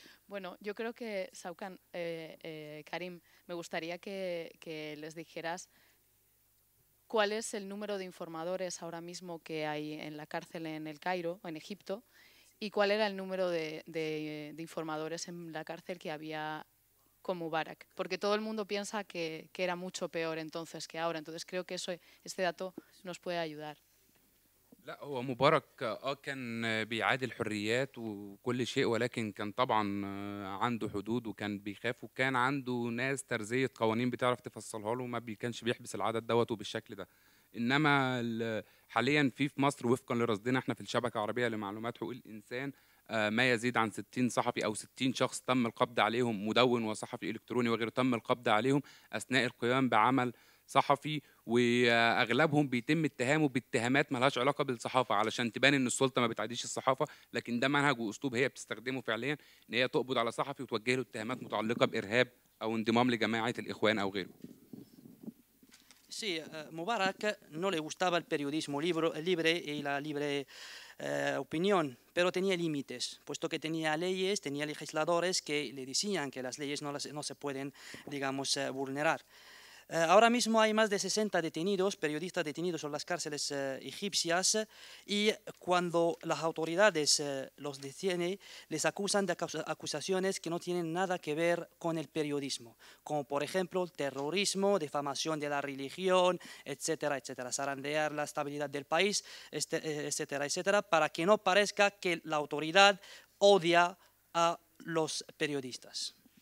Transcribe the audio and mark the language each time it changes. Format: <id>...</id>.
<es>Bueno, yo creo que Saucán, Karim, me gustaría que les dijeras cuál es el número de informadores ahora mismo que hay en la cárcel en el Cairo, en Egipto, y cuál era el número de informadores en la cárcel que había con Mubarak, porque todo el mundo piensa que era mucho peor entonces que ahora. Entonces creo que este dato nos puede ayudar.</es> <ar>لا هو مبارك كان بيعادي الحريات وكل شيء ولكن كان طبعا عنده حدود وكان بيخاف وكان عنده ناس ترزية قوانين بتعرف تفصلها له وما بيكانش بيحبس العدد دوت وبالشكل ده. انما حاليا في مصر وفقا لرصدنا احنا في الشبكة العربية لمعلومات حقوق الانسان ما يزيد عن 60 صحفي أو 60 شخص تم القبض عليهم مدون وصحفي إلكتروني وغيره تم القبض عليهم أثناء القيام بعمل صحفي وأغلبهم بيتم اتهامه باتهامات ما لهاش علاقة بالصحافة علشان تبان إن السلطة ما بتعديش الصحافة لكن ده منهج وأسلوب هي بتستخدمه فعليا إن هي تقبض على صحفي وتوجه له اتهامات متعلقة بإرهاب أو انضمام لجماعة الإخوان أو غيره.</ar> <es>Sí, Mubarak no le gustaba el periodismo libre y la libre opinión, pero tenía límites, puesto que tenía leyes, tenía legisladores que le decían que las leyes no se pueden, digamos, vulnerar. Ahora mismo hay más de 60 detenidos, periodistas detenidos en las cárceles egipcias, y cuando las autoridades los detienen, les acusan de acusaciones que no tienen nada que ver con el periodismo, como por ejemplo terrorismo, difamación de la religión, etcétera, etcétera, zarandear la estabilidad del país, etcétera, etcétera, para que no parezca que la autoridad odia a los periodistas.</es>